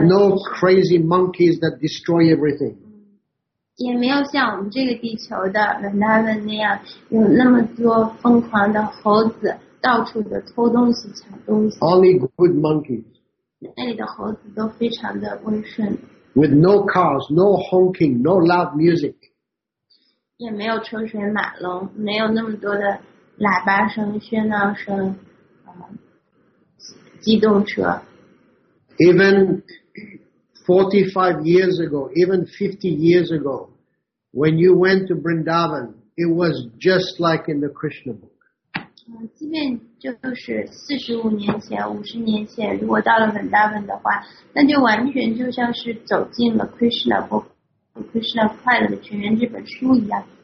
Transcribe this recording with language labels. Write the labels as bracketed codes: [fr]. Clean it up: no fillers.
[en] With no crazy monkeys that destroy everything. [zh] 也没有像我们这个地球的 Vrindavan 那样有那么多疯狂的猴子到处的偷东西抢东西。 [en] Only good monkeys. [zh] 那里的猴子都非常的温顺。 [en] With no cars, no honking, no loud music. [zh] 也没有车水马龙，没有那么多的喇叭声、喧闹声，机动车。 [en] Even 45 years ago, even 50 years ago, when you went to Vrindavan, it was just like in the Krishna book. [zh] 即便就是45年前、50年前，如果到了 Vrindavan 的话，那就完全就像是走进了 Krishna book, Krishna 快乐的泉源这本书一样。